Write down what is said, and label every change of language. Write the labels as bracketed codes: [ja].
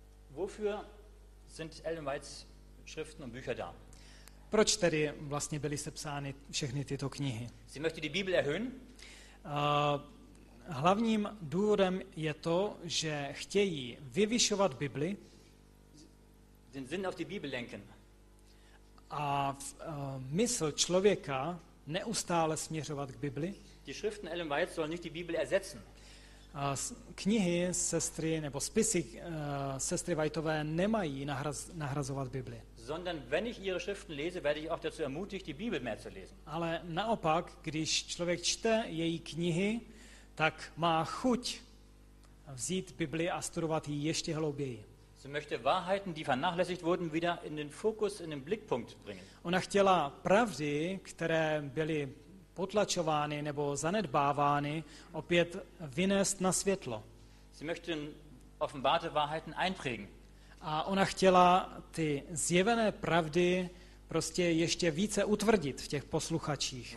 [de] Wofür sind Ellen White's Schriften und Bücher da. [cs] Proč tedy vlastně byly sepsány všechny tyto knihy? [de] Sie möchte die Bibel erhöhen. [cs] Hlavním důvodem je to, že chtějí vyvyšovat Bibli. [de] Den Sinn auf die Bibel lenken. [cs] A mysl člověka neustále směřovat k Bibli. [de] Die Schriften Ellen White sollen nicht die Bibel ersetzen. [cs] Knihy sestry nebo spisy sestry Whiteové nemají nahrazovat Bibli. [de] Sondern wenn ich ihre Schriften lese, werde ich auch dazu ermutigt, die Bibel mehr zu lesen. [cs] Ale naopak, když člověk čte její knihy, tak má chuť vzít Bibli a studovat ji ještě hlouběji. [de] Sie möchte Wahrheiten, die vernachlässigt wurden, wieder in den Fokus, in den Blickpunkt bringen. [cs] Ona chtěla pravdy, které byly potlačovány nebo zanedbávány, opět vynést na světlo. [de] Sie möchte offenbarte Wahrheiten einprägen. [cs] A ona chtěla ty zjevené pravdy prostě ještě více utvrdit v těch posluchačích,